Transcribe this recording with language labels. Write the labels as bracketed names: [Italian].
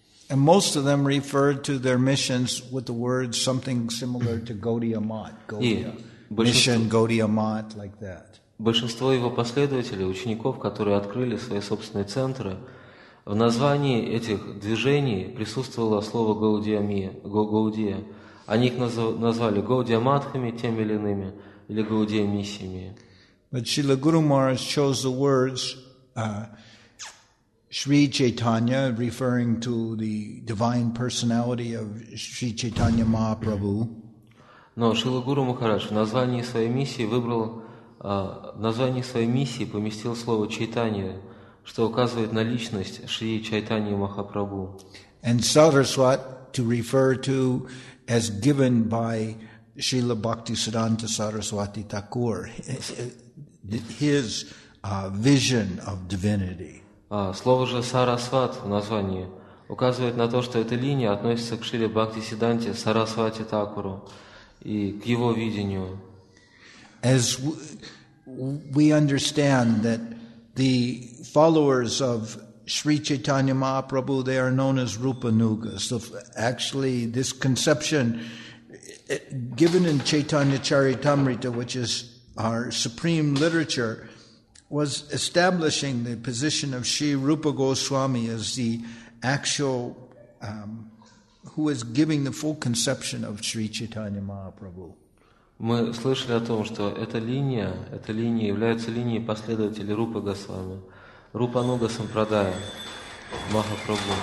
[English] And most of them referred to their missions with the words something similar to Gaudiya Math, mission Gaudiya Math, like that. [Russian] Большинство его последователей, учеников, которые открыли свои собственные центры, в названии этих движений присутствовало слово Гаудия. Они их назвали Гаудия Матхами теми или иными, или Гаудия Миссиями. [English] But Srila Guru Maharaj chose the words Sri Chaitanya, referring to the divine personality of Sri Chaitanya Mahaprabhu. [Russian] Но Шрила Гуру Махарадж в названии своей миссии выбрал название своей миссии поместил слово Чайтанья, что указывает на личность Шри Чайтанья Махапрабху. [English] And Saraswat to refer to as given by Srila Bhakti Siddhanta Saraswati Thakur, his vision of divinity. [Russian] Слово же Сарасват в названии указывает на то, что эта линия относится к Шри Бхакти Сиддханте Сарасвати Такуру и к его видению. [English] As we understand that the followers of Sri Chaitanya Mahaprabhu, they are known as Rupanugas. So actually, this conception given in Chaitanya Charitamrita, which is our supreme literature, was establishing the position of Sri Rupa Goswami as the actual who is giving the full conception of Sri Chaitanya Mahaprabhu. [Russian] Мы слышали о том, что эта линия является линией последователей Рупа Госвами, Рупа Нуга Сампрадая, Махапрабху.